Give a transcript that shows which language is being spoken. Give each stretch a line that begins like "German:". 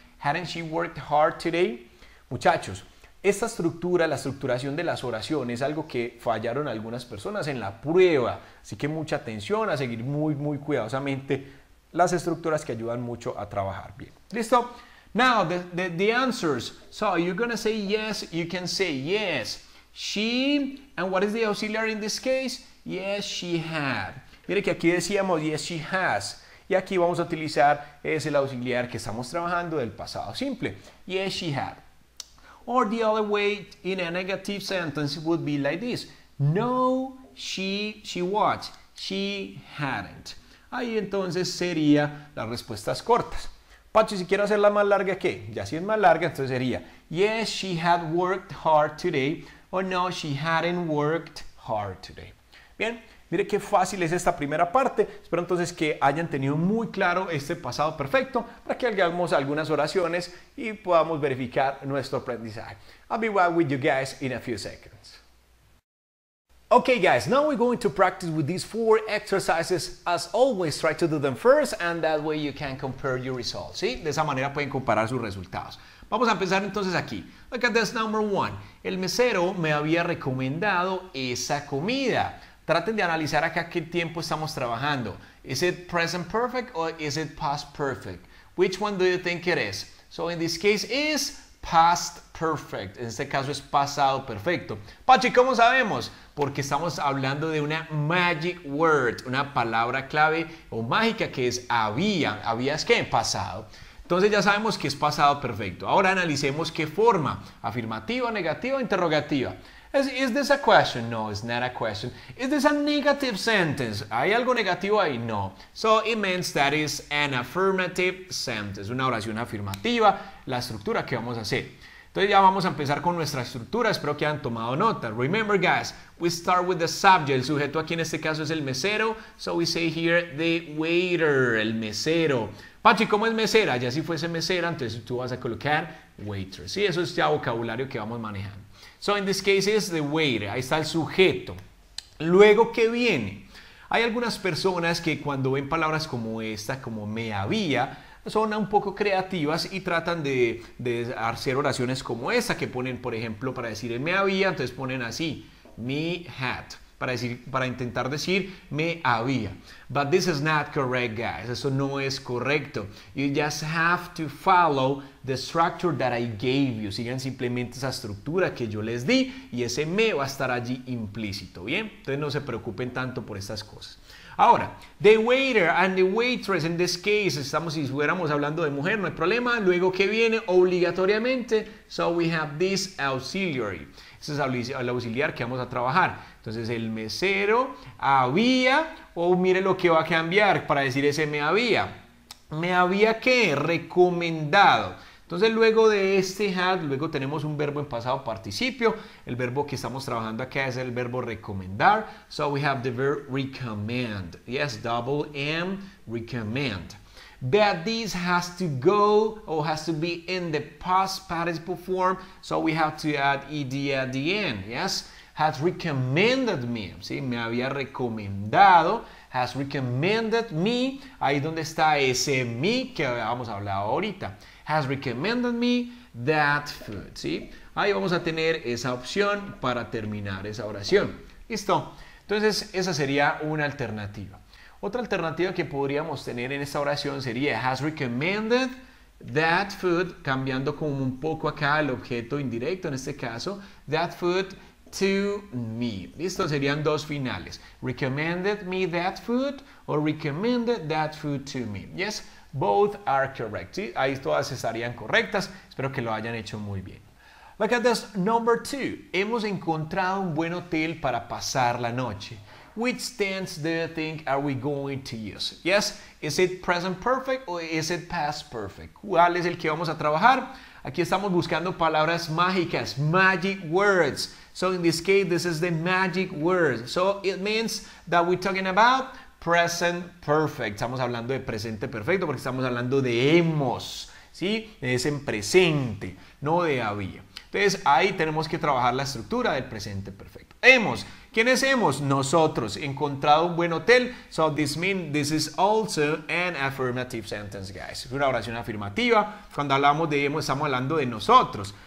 English: Hadn't she worked hard today?
Spanish: Muchachos, esta estructura, la estructuración de las oraciones es algo que fallaron algunas personas en la prueba. Así que mucha atención a seguir muy, muy cuidadosamente las estructuras que ayudan mucho a trabajar bien. ¿Listo?
English: Now, the answers. So, you're going to say yes, you can say yes. She, and what is the auxiliary in this case? Yes, she had.
Spanish: Mire que aquí decíamos
English: yes, she has.
Spanish: Y aquí vamos a utilizar el auxiliar que estamos trabajando del pasado simple.
English: Yes, she had. Or the other way in a negative sentence would be like this. No, she what? She hadn't.
Spanish: Ahí entonces sería las respuestas cortas. Pacho, si quiero hacerla más larga, ¿qué? Ya si es más larga, entonces sería
English: yes, she had worked hard today. Or no, she hadn't worked hard today.
Spanish: Bien, Mire qué fácil es esta primera parte. Espero entonces que hayan tenido muy claro este pasado perfecto para que hagamos algunas oraciones y podamos verificar nuestro aprendizaje.
English: I'll be right with you guys in a few seconds. Okay, guys, now we're going to practice with these four exercises. As always, try to do them first and that way you can compare your results.
Spanish: ¿Sí? De esa manera pueden comparar sus resultados. Vamos a empezar entonces aquí.
English: Look at this number one.
Spanish: El mesero me había recomendado esa comida. Traten de analizar acá qué tiempo estamos trabajando.
English: Is it present perfect or is it past perfect? Which one do you think it is? So in this case is past perfect.
Spanish: En este caso es pasado perfecto. Pachi, ¿cómo sabemos? Porque estamos hablando de una
English: magic word,
Spanish: una palabra clave o mágica que es había. ¿Había es qué? Pasado. Entonces ya sabemos que es pasado perfecto. Ahora analicemos qué forma. Afirmativa, negativa, interrogativa.
English: Is this a question? No, it's not a question. Is this a negative sentence?
Spanish: ¿Hay algo negativo ahí? No.
English: So it means that is an affirmative sentence.
Spanish: Una oración afirmativa. La estructura que vamos a hacer. Entonces ya vamos a empezar con nuestra estructura. Espero que hayan tomado nota.
English: Remember, guys, we start with the subject.
Spanish: El sujeto aquí en este caso es el mesero.
English: So we say here the waiter,
Spanish: el mesero. Pachi, ¿cómo es mesera? Ya si fuese mesera, entonces tú vas a colocar waiter. Sí, eso es ya vocabulario que vamos manejando.
English: So in this case is the waiter.
Spanish: Ahí está el sujeto. Luego, ¿qué viene? Hay algunas personas que cuando ven palabras como esta, como me había, son un poco creativas y tratan de hacer oraciones como esta, que ponen, por ejemplo, para decir me había, entonces ponen así, me had, para intentar decir me había.
English: But this is not correct, guys.
Spanish: Eso no es correcto.
English: You just have to follow the structure that I gave you.
Spanish: Sigan simplemente esa estructura que yo les di y ese me va a estar allí implícito, ¿bien? Entonces no se preocupen tanto por estas cosas. Ahora,
English: the waiter and the waitress, in this case,
Spanish: estamos, si fuéramos hablando de mujer, no hay problema. Luego, ¿qué viene? Obligatoriamente,
English: so we have this auxiliary.
Spanish: Ese es el auxiliar que vamos a trabajar. Entonces, el mesero había, mire lo que va a cambiar para decir ese me había. ¿Me había qué? Recomendado. Entonces, luego de este had, luego tenemos un verbo en pasado participio. El verbo que estamos trabajando acá es el verbo recomendar.
English: So, we have the verb recommend. Yes, double M, recommend. That this has to go or has to be in the past participle form. So, we have to add ED at the end. Yes, has recommended me.
Spanish: ¿Sí? Me había recomendado.
English: Has recommended me.
Spanish: Ahí donde está ese me que habíamos hablado ahorita.
English: Has recommended me that food,
Spanish: ¿sí? Ahí vamos a tener esa opción para terminar esa oración. ¿Listo? Entonces, esa sería una alternativa. Otra alternativa que podríamos tener en esta oración sería
English: has recommended that food,
Spanish: cambiando como un poco acá el objeto indirecto en este caso,
English: that food to me.
Spanish: ¿Listo? Serían dos finales.
English: Recommended me that food or recommended that food to me. ¿Yes? Both are correct.
Spanish: ¿Sí? Ahí todas estarían correctas. Espero que lo hayan hecho muy bien.
English: Look at this number two.
Spanish: Hemos encontrado un buen hotel para pasar la noche.
English: Which tense do you think are we going to use? Yes, is it present perfect or is it past perfect?
Spanish: ¿Cuál es el que vamos a trabajar? Aquí estamos buscando palabras mágicas,
English: magic words. So in this case, this is the magic word. So it means that we're talking about present perfect.
Spanish: Estamos hablando de presente perfecto porque estamos hablando de hemos, ¿sí? Es en presente, no de había. Entonces, ahí tenemos que trabajar la estructura del presente perfecto. Hemos. ¿Quién es hemos? Nosotros. Encontrado un buen hotel.
English: So, this means this is also an affirmative sentence, guys.
Spanish: Es una oración afirmativa. Cuando hablamos de hemos, estamos hablando de nosotros.